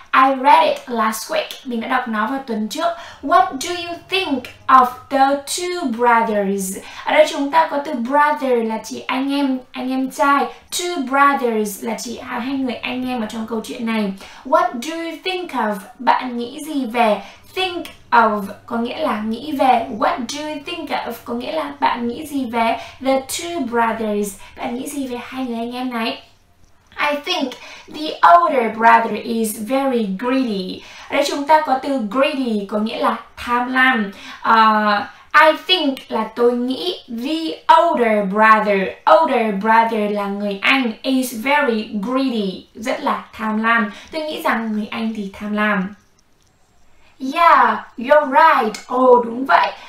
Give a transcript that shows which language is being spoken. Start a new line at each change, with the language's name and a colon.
English: I read it last week.
Vietnamese: Mình đã đọc nó vào tuần trước.
English: What do you think of the two brothers?
Vietnamese: Ở đây chúng ta có từ brother là chỉ anh em trai.
English: Two brothers
Vietnamese: là chỉ hai người anh em ở trong câu chuyện này.
English: What do you think of?
Vietnamese: Bạn nghĩ gì về?
English: Think of
Vietnamese: có nghĩa là nghĩ về.
English: What do you think of
Vietnamese: có nghĩa là bạn nghĩ gì về
English: the two brothers?
Vietnamese: Bạn nghĩ gì về hai người anh em này?
English: I think the older brother is very greedy.
Vietnamese: Ở đây chúng ta có từ greedy có nghĩa là tham lam.
English: I think
Vietnamese: là tôi nghĩ
English: the older brother
Vietnamese: là người anh,
English: is very greedy,
Vietnamese: rất là tham lam. Tôi nghĩ rằng người anh thì tham lam.
English: Yeah, you're right.
Vietnamese: Oh, đúng vậy.